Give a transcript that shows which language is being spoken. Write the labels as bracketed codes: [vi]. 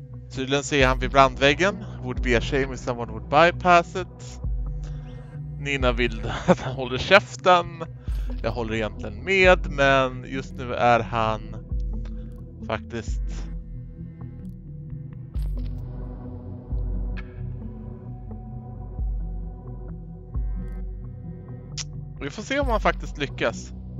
[sv] Tydligen ser han vid brandväggen. [en] Would be a shame if someone would bypass it. [sv] Nina vill att han håller käften. Jag håller egentligen med, men just nu är han faktiskt Vi får se om han faktiskt lyckas.